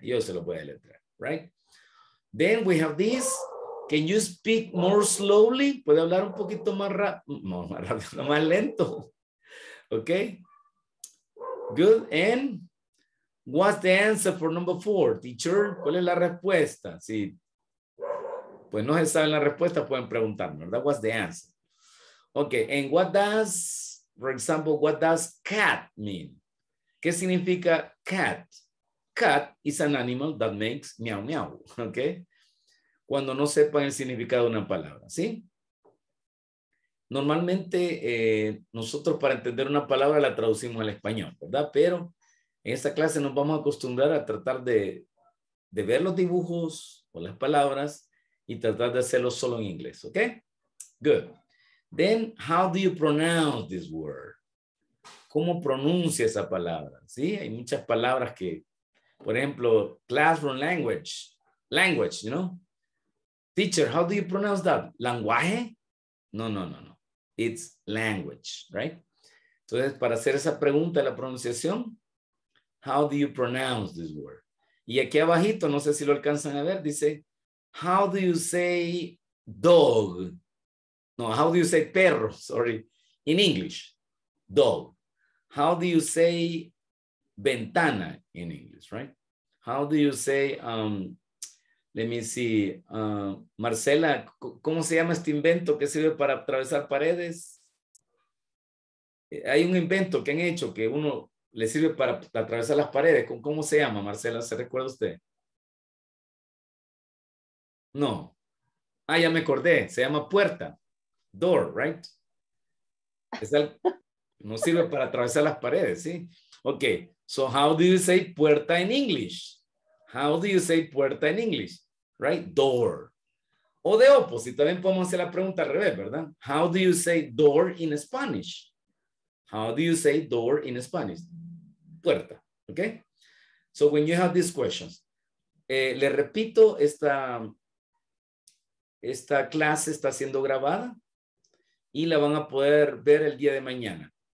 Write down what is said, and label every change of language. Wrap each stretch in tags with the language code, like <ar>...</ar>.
<es>Yo se lo voy a deletrear,</es> <en>right? Then we have this. Can you speak more slowly?</en> <es>¿Puede hablar un poquito más rápido? No, más rápido, no, más lento. Ok. Good.</es> <en>And what's the answer for number four, teacher?</en> <es>¿Cuál es la respuesta? Sí. Pues no se saben la respuesta, pueden preguntarme, ¿verdad?</es> <en>What's the answer? Okay, and what does, for example, what does cat mean?</en> <es>¿Qué significa</es> <en>cat? Cat is an animal that makes meow meow, okay?</en> <es>Cuando no sepan el significado de una palabra, ¿sí? Normalmente nosotros para entender una palabra la traducimos al español, ¿verdad? Pero en esta clase nos vamos a acostumbrar a tratar de ver los dibujos o las palabras y tratar de hacerlo solo en inglés, ¿ok?</es> <en>Good. Then, how do you pronounce this word?</en> <es>¿Cómo pronuncia esa palabra? ¿Sí? Hay muchas palabras que, por ejemplo,</es> <en>classroom language. Language, you know? Teacher, how do you pronounce that? ¿Lenguaje? No. It's language, right?</en> <es>Entonces, para hacer esa pregunta de la pronunciación,</es> <en>how do you pronounce this word?</en> <es>Y aquí abajito, no sé si lo alcanzan a ver, dice,</es> <en>how do you say dog? No, how do you say perro, sorry, in English? Dog. How do you say ventana in English, right? How do you say Let me see.</en> <es>Marcela, ¿cómo se llama este invento que sirve para atravesar paredes? Hay un invento que han hecho que uno le sirve para atravesar las paredes. ¿Cómo se llama, Marcela? ¿Se recuerda usted? No. Ah, ya me acordé. Se llama puerta.</es> <en>Door, right?</en> <es>No sirve para atravesar las paredes, ¿sí? Ok.</es> <en>So, how do you say puerta in English? How do you say puerta in English? Right? Door. O de opposite.</en> <es>También podemos hacer la pregunta al revés, ¿verdad?</es> <en>How do you say door in Spanish? How do you say door in Spanish? Puerta. Ok. So, when you have these questions.</en> <es>Le repito, esta clase está siendo grabada y la van a poder ver el día de mañana.</es>